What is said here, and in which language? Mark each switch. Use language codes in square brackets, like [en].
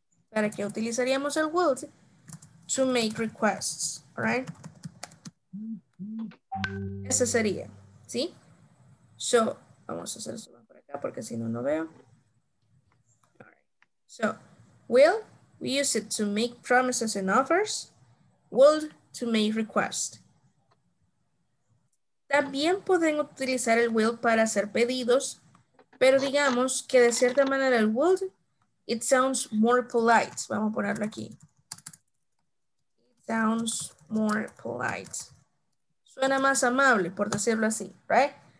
[es] ¿Para qué utilizaríamos el will? [en] To make requests. Right? [es] Ese sería. ¿Sí? So, vamos a hacer esto por acá porque si no, no veo. [en] Alright. So, will, we use it to make promises and offers. Will, to make requests. [es] También pueden utilizar el will para hacer pedidos. Pero digamos que de cierta manera el would, [en] it sounds more polite. [es] Vamos a ponerlo aquí. [en] It sounds more polite. [es] Suena más amable, por decirlo así, right?